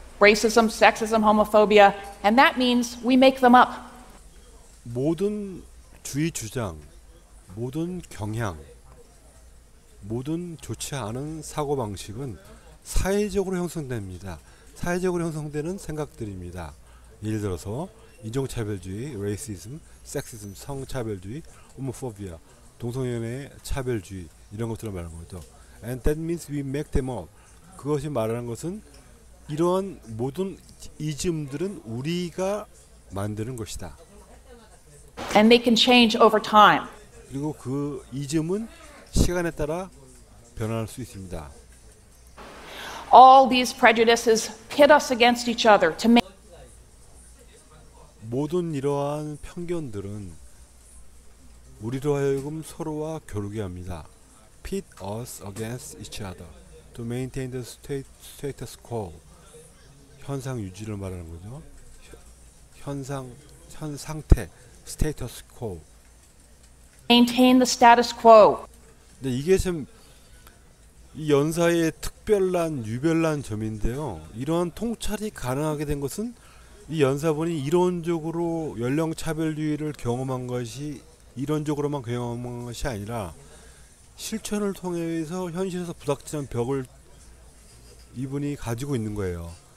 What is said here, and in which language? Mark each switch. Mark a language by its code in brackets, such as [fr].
[en] Racism, sexism, homophobia, and that means we make them up. [ko] 모든 주의 주장, 모든 경향, 모든 좋지 않은 사고 방식은 사회적으로 형성됩니다. 사회적으로 형성되는 생각들입니다. 예를 들어서 인종차별주의, 레이시즘, 섹시즘, 성차별주의, 호모포비아, 동성애 차별주의 이런 것들을 말하는 거죠. [en] And that means we make them up. [ko] 그것이 말하는 것은 이러한 모든 이즘들은 우리가 만드는 것이다. [en] And they can change over time. [ko] 그리고 그 이즘은 시간에 따라 변화할 수 있습니다. [en] All these prejudices pit us against each other to make [ko] 모든 이러한 편견들은 우리로 하여금 서로와 겨루게 합니다. [en] Pit us against each other to maintain the status quo. [ko] 현상 유지를 말하는 거죠. 현 상태, status quo. [en] Maintain the status quo. [ko] 네, 이게 좀 이 연사의 특별한 유별난 점인데요. 이러한 통찰이 가능하게 된 것은 이 연사본이 이론적으로 연령차별주의를 경험한 것이 이론적으로만 경험한 것이 아니라 실천을 통해서 현실에서 부닥치는 벽을 이분이 가지고 있는 거예요.